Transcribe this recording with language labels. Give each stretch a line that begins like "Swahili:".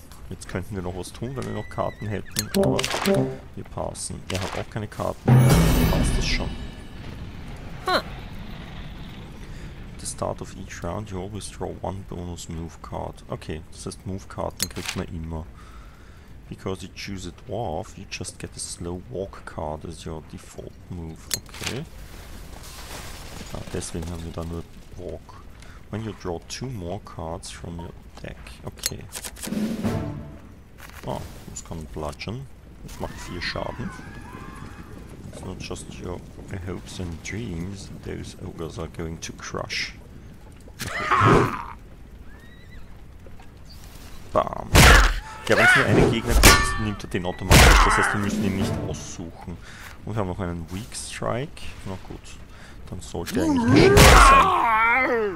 German: Jetzt könnten wir noch was tun, wenn wir noch Karten hätten, aber wir passen. Er hat auch keine Karten, passt das schon.
English: Start of each round, you always draw one bonus move card.
German: Okay, das heißt, Move Karten kriegt man immer.
English: Because you choose a dwarf, you just get a slow walk card as your default move. Okay.
German: Ah, deswegen haben wir da nur Walk.
English: When you draw two more cards from your deck. Okay.
German: Ah, das kann bludgeon. Das macht 4 Schaden.
English: It's not just your hopes and dreams, those ogres are going to crush. Bam.
German: Ja, wenn es nur einen Gegner gibt, nimmt er den automatisch. Das heißt, wir müssen ihn nicht aussuchen. Und wir haben noch einen Weak Strike. Na gut, dann sollte er eigentlich geschickt sein.